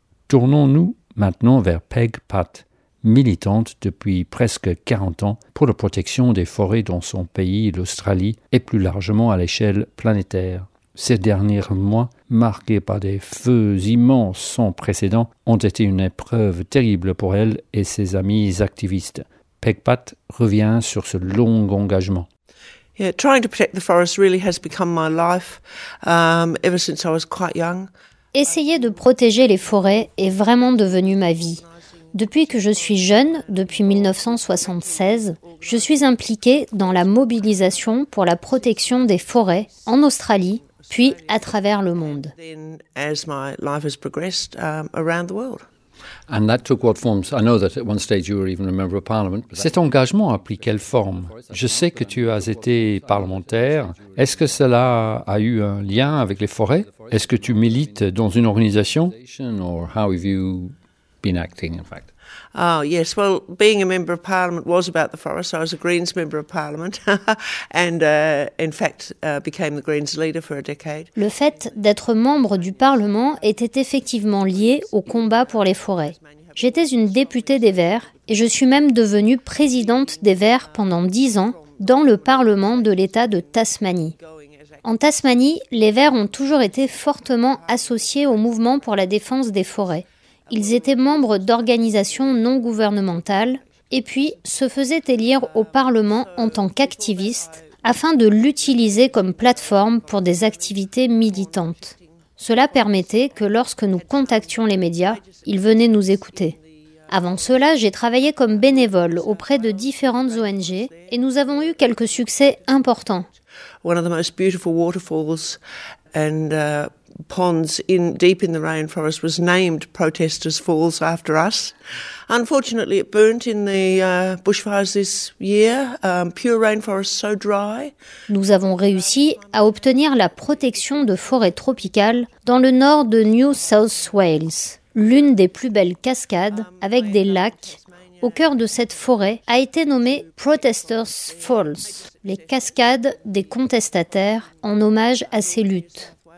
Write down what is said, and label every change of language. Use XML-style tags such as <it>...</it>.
<fr>Tournons-nous maintenant vers Peg Pat, militante depuis presque 40 ans pour la protection des forêts dans son pays, l'Australie, et plus largement à l'échelle planétaire. Ces derniers mois, marqués par des feux immenses sans précédent, ont été une épreuve terrible pour elle et ses amis activistes. Peg Pat revient sur ce long engagement.</fr> <en>Yeah, trying to protect the forest really has become my life ever since I was quite young.</en> <fr>Essayer de protéger les forêts est vraiment devenu ma vie. Depuis que je suis jeune, depuis 1976, je suis impliquée dans la mobilisation pour la protection des forêts en Australie, puis à travers le monde.</fr> <en>Then, as my life has progressed around the world. And that took what forms? I know that at one stage you were even a member of parliament.</en> <fr>Cet engagement a pris quelle forme? Je sais que tu as été parlementaire. Est-ce que cela a eu un lien avec les forêts? Est-ce que tu milites dans une organisation?</fr> <en>Or how have you been acting, in fact? Oh, yes. Well, being a member of parliament was about the forest. I was a Greens member of parliament and, in fact, became the Greens leader for a decade.</en> <fr>Le fait d'être membre du Parlement était effectivement lié au combat pour les forêts. J'étais une députée des Verts et je suis même devenue présidente des Verts pendant 10 ans dans le Parlement de l'État de Tasmanie. En Tasmanie, les Verts ont toujours été fortement associés au mouvement pour la défense des forêts. Ils étaient membres d'organisations non gouvernementales et puis se faisaient élire au Parlement en tant qu'activistes afin de l'utiliser comme plateforme pour des activités militantes. Cela permettait que lorsque nous contactions les médias, ils venaient nous écouter. Avant cela, j'ai travaillé comme bénévole auprès de différentes ONG et nous avons eu quelques succès importants.</fr> <en>One of the most beautiful waterfalls and ponds in deep in the rainforest was named Protesters Falls after us. Unfortunately, it burnt in the bushfires this year. Pure rainforest, so dry.</en> <fr>Nous avons réussi à obtenir la protection de forêt tropicale dans le nord de New South Wales. L'une des plus belles cascades avec des lacs au cœur de cette forêt a été nommée Protesters Falls, les cascades des contestataires, en hommage à ces luttes.</fr>